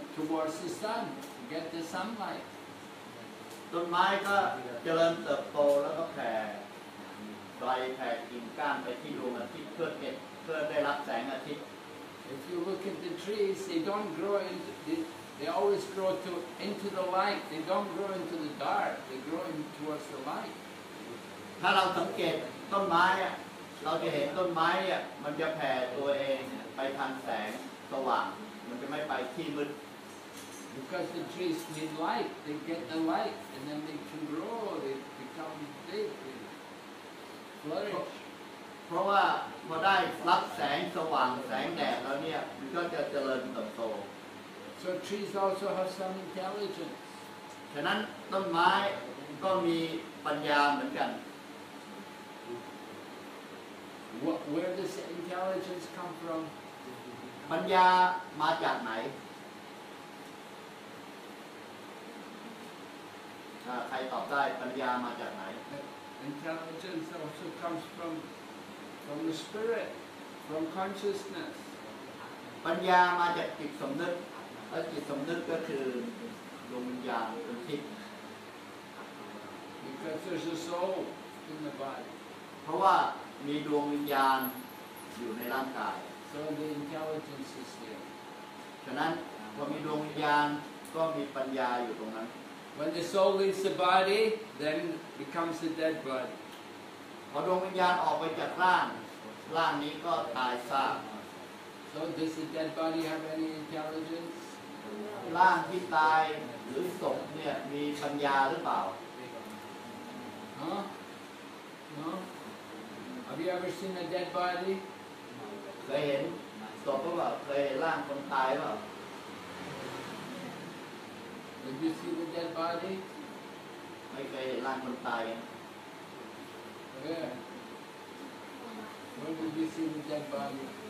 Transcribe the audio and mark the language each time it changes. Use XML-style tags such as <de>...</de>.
<en>Towards the sun, get the sunlight.</en> <th>ต้นไม้ก็เจริญเติบโตแล้วก็แผ่ใบแผ่กิ่งก้านไปที่ดวงอาทิตย์เพื่อได้รับแสงอาทิตย์</th> <en>If you look at the trees, they don't grow into they always grow to into the light. They don't grow into the dark. They grow in towards the light.</en> <th>ถ้าเราสังเกตต้นไม้เราจะเห็นต้นไม้มันจะแผ่ตัวเองไปทางแสงสว่างมันจะไม่ไปที่มืด</th> <en>Because the trees need light, they get the light, and then they can grow, they become big, they flourish.</en> <th>เพราะว่าพอได้รับแสงสว่างแสงแดดแล้วเนี่ยมันก็จะเจริญเติบโต</th> <en>So trees also have some intelligence.</en> <th>ฉะนั้นต้นไม้ก็มีปัญญาเหมือนกัน</th> <en>Where does intelligence come from?</en> <th>ปัญญามาจากไหนใครตอบได้ปัญญามาจากไหน</th> <en>Intelligence also comes from the spirit, from consciousness.</en> <th>ปัญญามาจากจิตสำนึกและจิตสำนึกก็คือดวงวิญญาณเป็นทิพ</th> <en>ย์ Because there's a soul in the body.</en> <th>เพราะว่ามีดวงวิญญาณอยู่ในร่างกาย</th> <en>So the intelligence is there.</en> <th>ฉะนั้น พอมีดวงวิญญาณก็มีปัญญาอยู่ตรงนั้น</th> <en>When the soul leaves the body, then becomes the dead body.</en> <th>พอดวงวิญญาณออกไปจากร่างนี้ก็ตายซาก</th> <en>So does the dead body have any intelligence?</en> <th>ร่างที่ตายหรือศพเนี่ยมีปัญญาหรือเปล่า</th> <en>Huh? No? Have you ever seen a dead body?</en> <th>เคยเห็นศพหรือเปล่าเคยเห็นร่างคนตายหรือเปล่า</th> <en>Did you see the dead body?</en> <th>ไม่เคยเห็นร่างคนตาย</th> <en>Yeah. When did you see the dead body?</en>